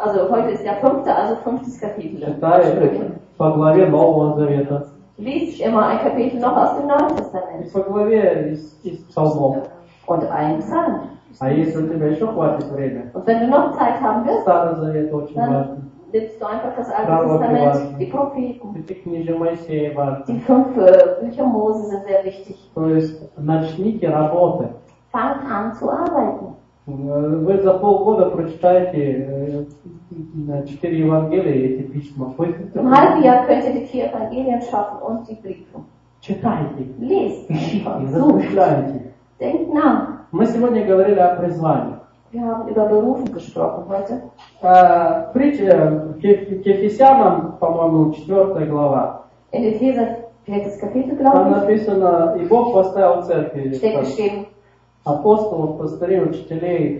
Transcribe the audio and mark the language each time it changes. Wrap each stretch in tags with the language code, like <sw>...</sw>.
<de>Heute ist der fünfte, also fünftes Kapitel.</de> <ru>Читай по главе Нового Завета.</ru> <de>Lies immer ein Kapitel noch aus dem Neuen Testament.</de> <ru>И по главе из Псалмов.</ru> <de>Und ein Psalm.</de> <ru>А если у тебя еще хватит время?</ru> <de>Und wenn du noch Zeit haben willst,</de> <ru>Старый Завет очень важен.</ru> <de>Lebst du einfach das Alte Testament, die Propheten, die</de> <ru>книги Моисеева,</ru> <de>die fünf Bücher Mose sind sehr wichtig.</de> <ru>То есть начните работы.</ru> <de>Fang an zu arbeiten.</de> <ru>Вы за полгода прочитаете четыре Евангелия и эти письма.</ru> <de>Im halben Jahr könnt ihr die vier Evangelien schaffen und die Briefe.</de> <ru>Читайте.</ru> <de>Lest.</de> <ru>Ищите. Размышляйте.</ru> <de>Denk nach.</de> <ru>Мы сегодня говорили о призвании.</ru> <de>Wir haben über Berufung gesprochen heute.</de> <ru>К Ефесянам, по-моему, 4 глава.</ru> <de>In Epheser 5 Kapitel, glaube ich.</de> <ru>Там написано, и Бог поставил церкви.</ru> <de>Steht geschrieben.</de> <ru>Апостолов, пастырей, учителей,</ru>